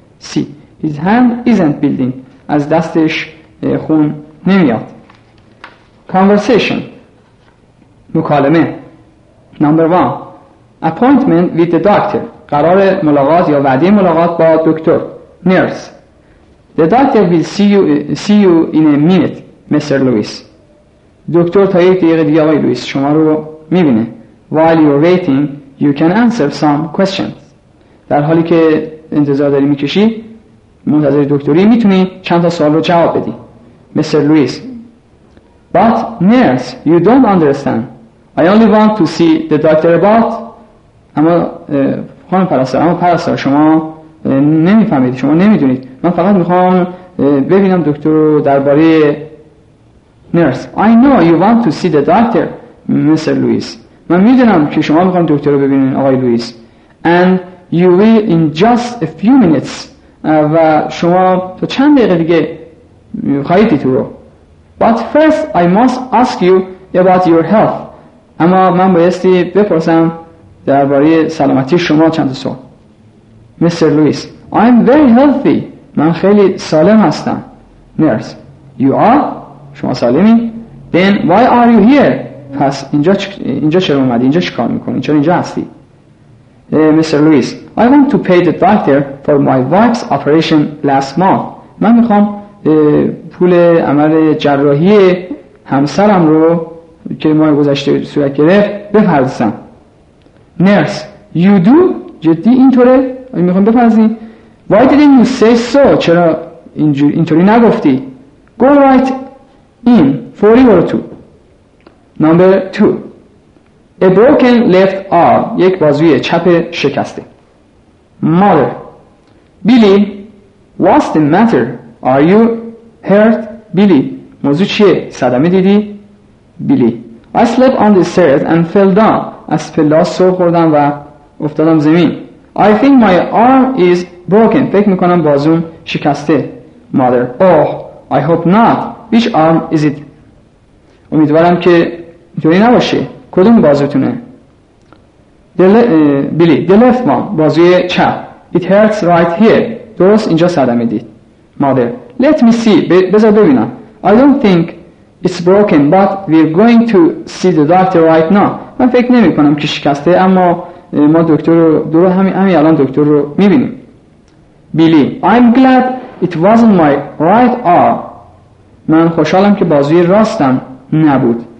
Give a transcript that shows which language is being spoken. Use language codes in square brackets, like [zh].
[en] C. His hand isn't building. [fa] از دستش خون نمیاد. [en] Conversation. مکالمه. Number 1. Appointment with the doctor. [fa] قرار ملاقات یا وعده ملاقات با دکتر. [en] Nurse. The doctor will see you in a minute, Mr. Lewis. [fa] دکتر تا یک دقیقه دیگه آقای لوئیس شما رو میبینه. [en] While you're waiting, you can answer some questions. [fa] در حالی که انتظار داری میکشی، منتظر دکتری، میتونی چند تا سوال رو جواب بدی. [en] Mister Lewis. But nurse, you don't understand. I only want to see the doctor about. [fa] اما خانم پرستار، اما پرستار شما نمیفهمید، شما نمیدونید. من فقط میخوام ببینم دکتر رو درباره. [en] Nurse, I know you want to see the doctor, Mr. Lewis. [fa] من میدونم که شما میخوام دکتر رو ببینید آقای لوئیس. [en] And you will in just a few minutes. [fa] و شما تو چند دقیقه دیگه خواهید دید رو. [en] But first I must ask you about your health. [fa] اما من بایستی بپرسم درباره سلامتی شما چند سال. [en] Mr. Lewis, I'm very healthy. [fa] من خیلی سالم هستم. نرس، [en] you are؟ [fa] شما سالمی؟ [en] Then why are you here؟ [fa] پس اینجا چرا اومدی؟ اینجا چی کار میکنی؟ چرا اینجا هستی؟ Mr. [en] Lewis, I want to pay the doctor for my wife's operation last month. [fa] من میخوام پول عمل جراحی همسرم رو که ماه گذشته صورت گرفت بپردازم. [en] Nurse, you do؟ [fa] جدی اینطوره؟ آیا میخوام بپرزی؟ [en] Why didn't you say so؟ [fa] چرا اینطوری نگفتی؟ [en] Go right in 40-2. Number 2. A broken left arm. [fa] یک بازوی چپ شکسته. Mother. [en] Billy, what's the matter? Are you hurt? Billy. [fa] موضوع چیه؟ صدمه دیدی؟ Billy. [en] I slept on the stairs and fell down. [fa] از پلاس سر خوردم و افتادم زمین. [en] I think my arm is broken. [fa] فکر میکنم بازوم شکسته. [en] Mother. Oh, I hope not. Which arm is it? [fa] امیدوارم که اینطوری نباشه. کدوم بازوتونه؟ Billy. [en] The left one. [fa] بازوی چپ. [en] It hurts right here. [fa] درست اینجا صدمه دید. [en] Mother. Let me see. [fa] بذار ببینم. [en] I don't think it's broken, but we're going to see the doctor right now. [fa] من فکر نمیکنم که شکسته، اما ما دکتر رو درو همین الان دکتر رو میبینیم. [en] Billy, I'm glad it wasn't my right arm. [fa] من خوشحالم که بازوی راستم نبود.